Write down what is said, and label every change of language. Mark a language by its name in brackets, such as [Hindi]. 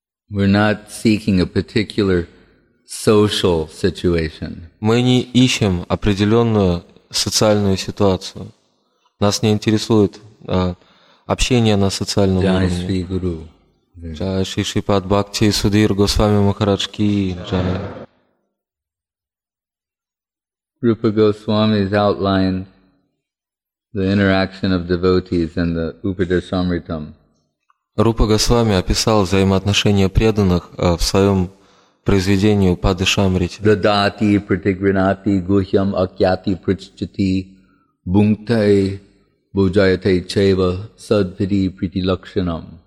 [English] We're not seeking a particular social situation. [Russian] Мы не ищем определенную социальную ситуацию. Нас не интересует общение на социальном уровне. [Sanskrit] Джай Шри Шипад Бхакти Судир Госвами Махарадж Ки. Джай. [English] Rupa Goswami's outlined the interaction of devotees in the Upadeshamritam. [Russian] Rupa Goswami описал взаимоотношения преданных в своем произведении Упадешамрите. [Sanskrit] Дадати притигринати гухьям акьяти приччати бунктай буджайате чева садвиди притилакшинам.